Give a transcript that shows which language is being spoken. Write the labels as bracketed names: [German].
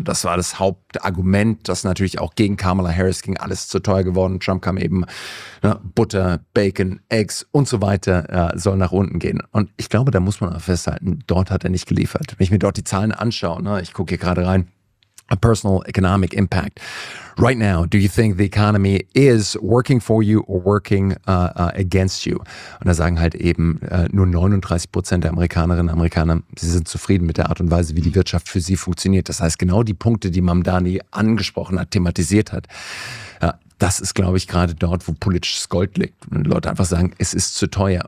[German] Das war das Hauptargument, das natürlich auch gegen Kamala Harris ging, alles zu teuer geworden. Trump kam eben, ne, Butter, Bacon, Eggs und so weiter soll nach unten gehen. Und ich glaube, da muss man auch festhalten, dort hat er nicht geliefert. Wenn ich mir dort die Zahlen anschaue, ne, ich gucke hier gerade rein, [English] a personal economic impact. Right now, do you think the economy is working for you or working against you? [German] Und da sagen halt eben nur 39% der Amerikanerinnen und Amerikaner, sie sind zufrieden mit der Art und Weise, wie die Wirtschaft für sie funktioniert. Das heißt, genau die Punkte, die Mamdani angesprochen hat, thematisiert hat, das ist, glaube ich, gerade dort, wo politisches Gold liegt. Und Leute einfach sagen, es ist zu teuer.